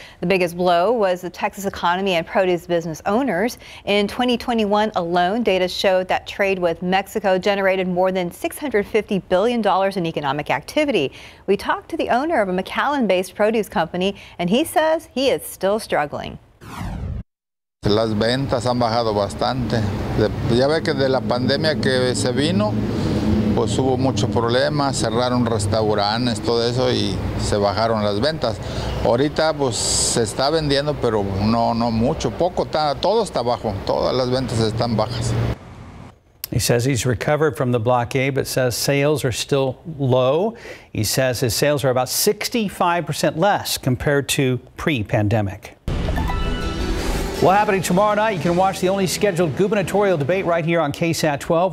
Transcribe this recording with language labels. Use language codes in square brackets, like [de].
[en] The biggest blow was the Texas economy and produce business owners. In 2021 alone, data showed that trade with Mexico generated more than $650 billion in economic activity. We talked to the owner of a McAllen-based produce company, and he says he is still struggling. [es] Las ventas han bajado bastante. Ya ve que de la pandemia que se vino, pues hubo mucho problema, cerraron restaurantes, todo eso, y se bajaron las ventas. Ahorita, pues, se está vendiendo, pero no mucho, poco, todo está bajo, todas las ventas están bajas. [en] He says he's recovered from the blockade, but says sales are still low. He says his sales are about 65% less compared to pre-pandemic. Well, happening tomorrow night, you can watch the only scheduled gubernatorial debate right here on KSAT 12.